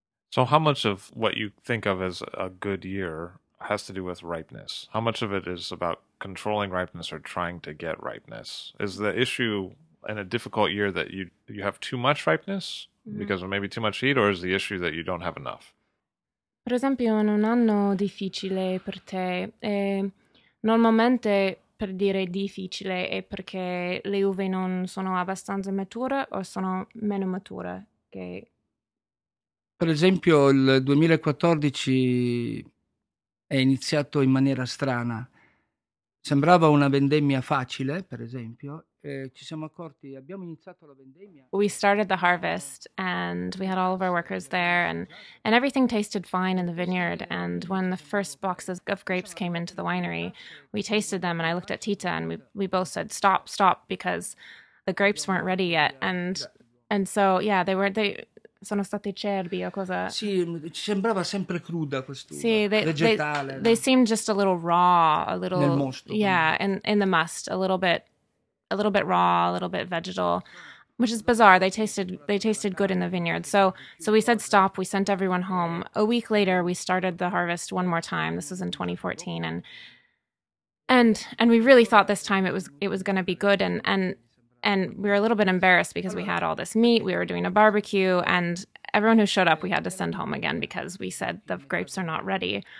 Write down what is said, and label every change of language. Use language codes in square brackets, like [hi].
[en] So how much of what you think of as a good year has to do with ripeness. How much of it is about controlling ripeness or trying to get ripeness? Is the issue in a difficult year that you have too much ripeness because of maybe too much heat, or is the issue that you don't have enough? [it] Per esempio, in un anno difficile per te, normalmente per dire difficile è perché le uve non sono abbastanza mature o sono meno mature che... Per esempio, il 2014 è iniziato in maniera strana. Sembrava una vendemmia facile, per esempio. Ci siamo accorti, abbiamo iniziato la vendemmia. [en] We started the harvest and we had all of our workers there and everything tasted fine in the vineyard. And when the first boxes of grapes came into the winery, we tasted them and I looked at Tita and we both said, stop, stop, because the grapes weren't ready yet. And so, yeah, they were... they. [it] Sono state acerbi o cosa? Sì, ci sembrava sempre cruda quest'uva, sì, vegetale. [en] They seemed just a little raw, a little... [it] Nel mosto. [en] Yeah, in the must, a little bit raw, a little bit vegetal, which is bizarre. They tasted good in the vineyard. So we said stop, we sent everyone home. A week later, we started the harvest one more time. This was in 2014, and we really thought this time it was going to be good, and we were a little bit embarrassed because we had all this meat, we were doing a barbecue, and everyone who showed up we had to send home again because we said the grapes are not ready.